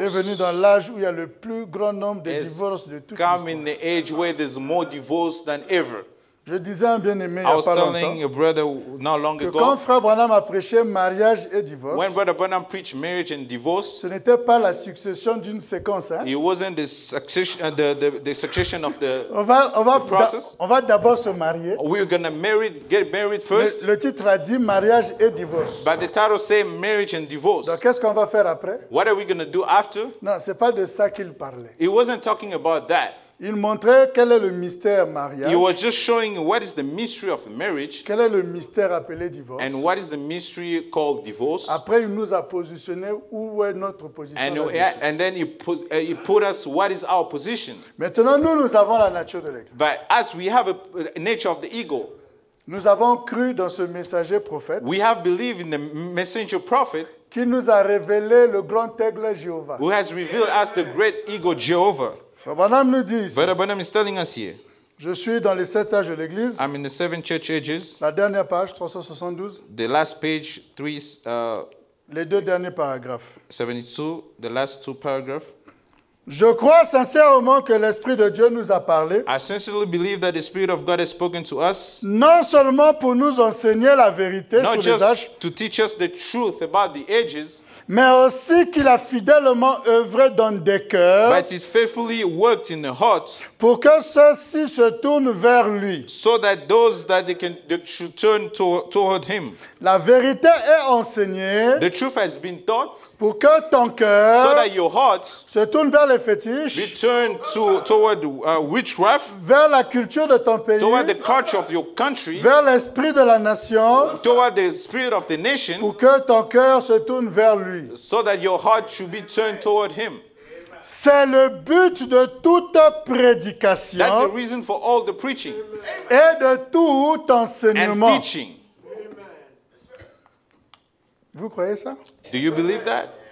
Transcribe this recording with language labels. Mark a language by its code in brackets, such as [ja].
[fr] Est venue dans l'âge où il y a le plus grand nombre de divorces de toute l'histoire. [en] Has come in the age where there's more divorce than ever. [fr] Je disais un bien-aimé, [en] I was telling a brother not long ago, [fr] quand Frère Branham a prêché mariage et divorce, [en] when Brother Branham preached marriage and divorce, [fr] ce n'était pas la succession d'une séquence. Hein? [en] It wasn't the succession, the succession of the, the process. [fr] On va d'abord se marier. [en] We're gonna get married first. [fr] Le titre a dit mariage et divorce. [en] But the title says marriage and divorce. [fr] Donc qu'est-ce qu'on va faire après? [en] What are we gonna do after? [fr] Non, c'est pas de ça qu'il parlait. [en] He wasn't talking about that. [fr] Il montrait quel est le mystère mariage. [en] He was just showing what is the mystery of marriage. [fr] Quel est le mystère appelé divorce. [en] And what is the mystery called divorce. [fr] Après, il nous a positionné où est notre position. [en] And then he put us what is our position. [fr] Maintenant, nous avons la nature de l'ego. [en] But as we have a nature of the ego. [fr] Nous avons cru dans ce messager prophète. [en] We have believed in the messenger prophet. [fr] Qui nous a révélé le grand aigle Jéhovah. [en] Who has revealed us the great eagle Jehovah. [fr] Frère Branham nous dit. [en] Brother Branham is telling us here. [fr] Je suis dans les sept âges de l'Église. [en] I'm in the seven church ages. [fr] La dernière page, 372. [en] The last page, three. [fr] Les deux derniers paragraphes. [en] 72, the last two paragraphs. [fr] Je crois sincèrement que l'Esprit de Dieu nous a parlé. [en] I sincerely believe that the Spirit of God has spoken to us. [fr] Non seulement pour nous enseigner la vérité [en] not [fr] sur les âges. [en] To teach us the truth about the ages. [fr] Mais aussi qu'il a fidèlement œuvré dans des cœurs. [en] But it faithfully worked in the heart. [fr] Pour que ceux-ci se tournent vers lui. [en] So that those that they can they should turn toward him. [fr] La vérité est enseignée. [en] The truth has been taught. [fr] Pour que ton cœur. [en] So that your heart. [fr] Se tourne vers les fétiches. [en] Be turned toward witchcraft. [fr] Vers la culture de ton pays. [en] Toward the culture of your country. [fr] Vers l'esprit de la nation. [en] Toward the spirit of the nation. [fr] Pour que ton cœur se tourne vers lui. [en] So that your heart should be turned toward him. [fr] C'est le but de toute prédication. [en] That's the reason for all the preaching. [fr] Et de tout enseignement. [en] And teaching. [fr] Vous croyez ça? [en] Do you believe that?